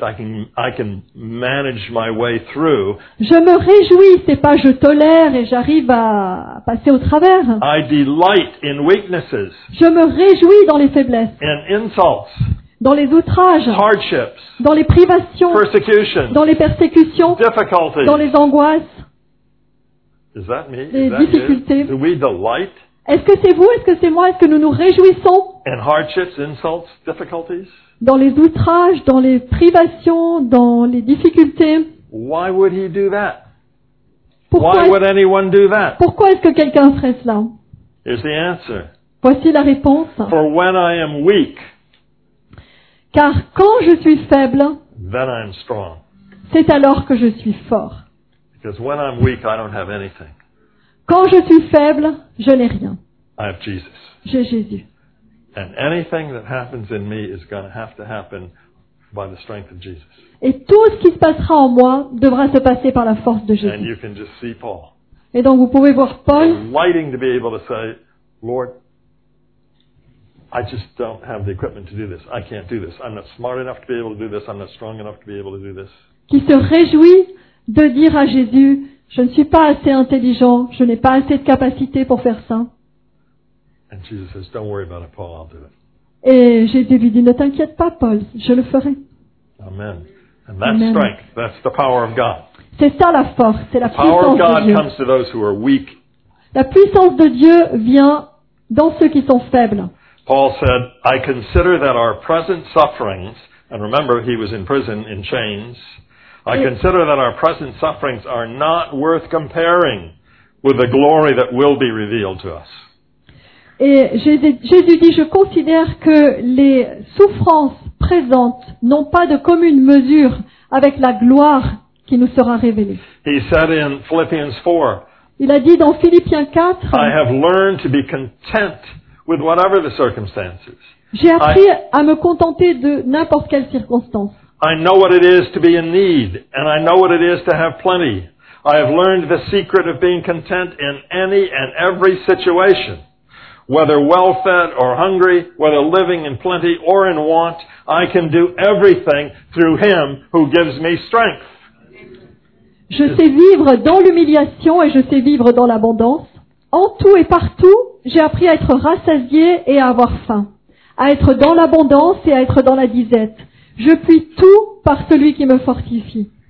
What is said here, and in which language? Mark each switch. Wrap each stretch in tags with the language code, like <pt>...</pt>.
<en>I can manage my way through.</en> <fr>Je me réjouis. C'est pas je tolère et j'arrive à passer au travers.</fr> <en>I delight in weaknesses.</en> <fr>Je me réjouis dans les faiblesses.</fr> <en>And insults.</en> <fr>Dans les outrages.</fr> <en>Hardships.</en> <fr>Dans les privations.</fr> <en>Persecutions.</en> <fr>Dans les persécutions.</fr> <en>Difficulties.</en> <fr>Dans les angoisses.</fr> <en>Is that me?</en> <fr>Les difficultés.</fr> <en>Do we delight?</en> <fr>Est-ce que c'est vous? Est-ce que c'est moi? Est-ce que nous nous réjouissons?</fr> <en>And hardships, insults, difficulties.</en> <fr>Dans les outrages, dans les privations, dans les difficultés.</fr> <en>Why would he do that?</en> <fr>Pourquoi,</fr> <en>why would anyone do that?</en> <fr>Pourquoi est-ce que quelqu'un ferait cela?</fr> <en>Here's the answer.</en> <fr>Voici la réponse.</fr> <en>For when I am weak,</en> <fr>car quand je suis faible,</fr> <en>then I'm strong.</en> <fr>C'est alors que je suis fort.</fr> <en>Because when I'm weak, I don't have anything.</en> <fr>Quand je suis faible, je n'ai rien.</fr> <en>I have Jesus.</en> <fr>J'ai Jésus.</fr> <en>And anything that happens in me is going to happen by the strength of Jesus.</en> <fr>Et tout ce qui se passera en moi devra se passer par la force de Jésus.</fr> <en>And you can just see Paul.</en> <fr>Et donc vous pouvez voir Paul.</fr> <en>Delighting to be able to say, Lord, I just don't have the equipment to do this. I can't do this. I'm not smart enough to be able to do this. I'm not strong enough to be able to do this.</en> <fr>Qui se réjouit de dire à Jésus, je ne suis pas assez intelligent. Je n'ai pas assez de capacité pour faire ça.</fr> <en>And Jesus says, "Don't worry about it, Paul. I'll do it."</en> <fr>Et Jésus lui dit, "Ne t'inquiète pas, Paul. Je le ferai."</fr> <en>Amen. And that's strength. That's the power of God.</en> <fr>C'est ça la force. C'est la puissance de Dieu.</fr> <en>The power of God comes to those who are weak.</en> <fr>La puissance de Dieu vient dans ceux qui sont faibles.</fr> <en>Paul said, "I consider that our present sufferings," and remember, he was in prison in chains. "I consider that our present sufferings are not worth comparing with the glory that will be revealed to us."</en> <fr>Et Jésus dit, je considère que les souffrances présentes n'ont pas de commune mesure avec la gloire qui nous sera révélée.</fr> <en>He said in Philippians 4,</en> <fr>il a dit dans Philippiens 4,</fr> <en>I have learned to be content with whatever the circumstances.</en> <fr>J'ai appris à me contenter de n'importe quelle circonstance.</fr> <en>I know what it is to be in need, and I know what it is to have plenty. I have learned the secret of being content in any and every situation. Whether well-fed or hungry, whether living in plenty or in want, I can do everything through Him who gives me strength.</en> <fr>Je sais vivre dans l'humiliation et je sais vivre dans l'abondance. En tout et partout, j'ai appris à être rassasié et à avoir faim, à être dans l'abondance et à être dans la disette. Je puis tout par celui qui me fortifie.</fr>